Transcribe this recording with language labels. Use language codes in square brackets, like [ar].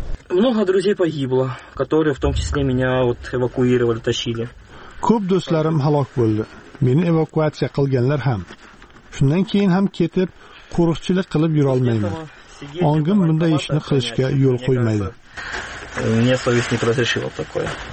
[ru] Много друзей погибло, которые в том числе меня вот эвакуировали, тащили. [uz] Ko'p do'stlarim halok bo'ldi. Meni evakuatsiya qilganlar ham. Shundan keyin ham ketib, qo'riqchilik qilib yura olmayman. Ongim bunda ishni qilishga yo'l qo'ymaydi. [ru] Мне совесть не разрешила такое.